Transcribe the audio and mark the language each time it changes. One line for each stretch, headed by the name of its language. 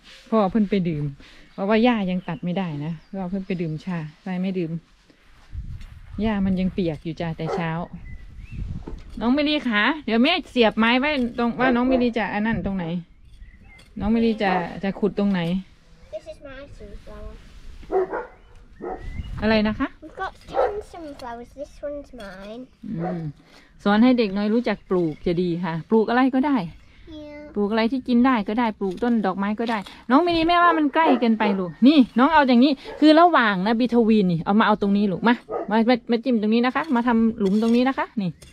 Thai: พ่อเพิ่นไปดื่มเพราะว่าย่ายังตัดไม่ได้นะเพราะเพิ่นไปดื่มชาทรายไม่ดื่มย่ามันยังเปียกอยู่จ้าแต่เช้าน้องมิลีขาเดี๋ยวแม่เสียบไม้ไว้ตรงว่าน้องมิลีจะอันนั้นตรงไหนน้องมิลีจะขุดตรงไหน
English: This is
Thai: อะไรนะคะ
English: We've got 10 sunflowers This one's mine
Thai: สอนให้เด็กน้อยรู้จักปลูกจะดีค่ะปลูกอะไรก็ได้ปลูกอะไรที่กินได้ก็ได้ปลูกต้นดอกไม้ก็ได้น้องมินิแม่ว่ามันใกล้เกินไปลูกนี่น้องเอาอย่างนี้คือระหว่างนะบีทวีนนี่เอามาเอาตรงนี้ลูกมาจิ้มตรงนี้นะคะมาทำหลุมตรงนี้นะคะนี่